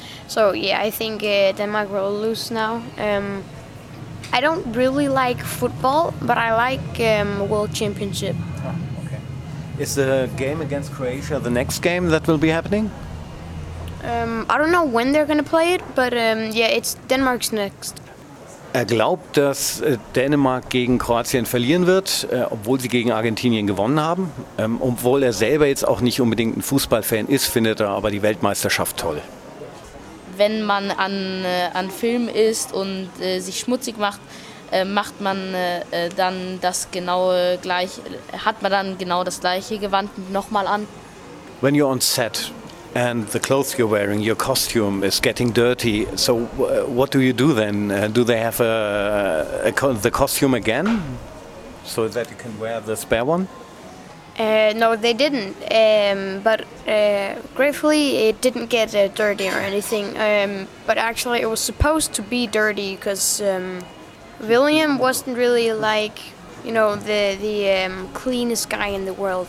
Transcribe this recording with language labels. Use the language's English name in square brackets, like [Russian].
[English] So yeah, I think Denmark will lose now. I don't really like football, but I like World Championship. Ah, okay. Is the game against Croatia the next game that will be happening? I don't know when they're gonna play it, but yeah, it's Denmark's next. [German] Er glaubt, dass Dänemark gegen Kroatien verlieren wird, obwohl sie gegen Argentinien gewonnen haben. Obwohl er selber jetzt auch nicht unbedingt ein Fußballfan ist, findet er aber die Weltmeisterschaft toll. Wenn man an Film ist und sich schmutzig macht, macht man dann das genaue gleich, hat man dann genau das gleiche Gewand nochmal an? [English] When you're on set and the clothes you're wearing, your costume is getting dirty, so what do you do then? Do they have the costume again, so that you can wear the spare one? No, they didn't, but gratefully it didn't get dirty or anything, but actually it was supposed to be dirty, because William wasn't really like, you know, the cleanest guy in the world.